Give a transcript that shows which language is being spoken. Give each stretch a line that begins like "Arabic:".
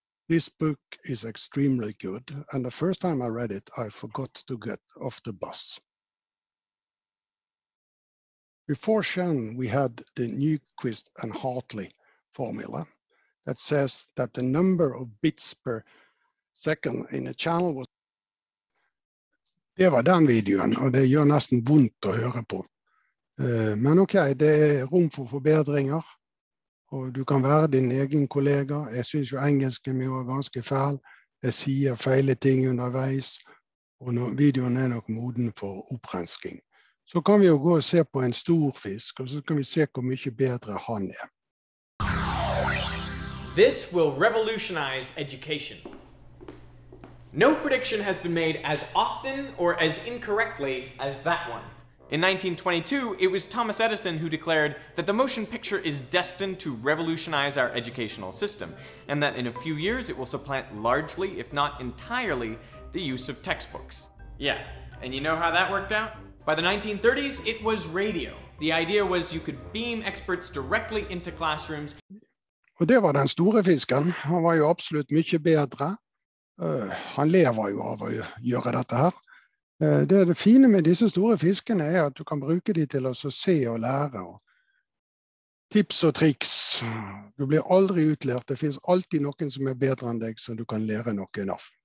English: This book is extremely good and the first time I read it, I forgot to get off the bus. Before Shannon, we had the Nyquist and Hartley formula that says that the number of bits per second in a channel was...
Norwegian: Det var den videoen, og det gjør nesten vondt å høre på. Men ok, det er rom for forbedringer, og du kan være din egen kollega. Jeg synes jo engelsken min var ganske fæl. Jeg sier feile ting underveis, og videoen er nok moden for opprensking. Så kan vi jo gå og se på en stor fisk, og så kan vi se hvor mye bedre han er.
English: This will revolutionize education. No prediction has been made as often or as incorrectly as that one. In 1922, it was Thomas Edison who declared that the motion picture is destined to revolutionize our educational system, and that in a few years it will supplant largely, if not entirely, the use of textbooks. Yeah, and you know how that worked out? By the 1930s, it was radio. The idea was you could beam experts directly into classrooms.
Norwegian: Og det var den store fisken. Han var jo absolutt mye bedre. Han lever jo av å gjøre dette her. Det fine med disse store fiskene er at du kan bruke dem til å se og lære. Og tips og triks. Du blir aldri utlært. Det finnes alltid noen som er bedre enn deg, som du kan lære noen av.